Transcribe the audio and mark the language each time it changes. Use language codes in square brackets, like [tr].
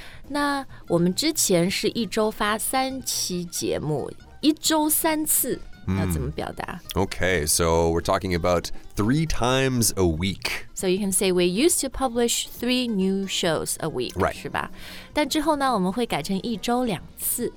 [zh] 那我们之前是一周发三期节目一周三次要怎么表达 [en] Okay, so we're talking about three times a week. So you can say we used to publish three new shows a week, right. [zh] 是吧？但之后呢，我们会改成一周两次。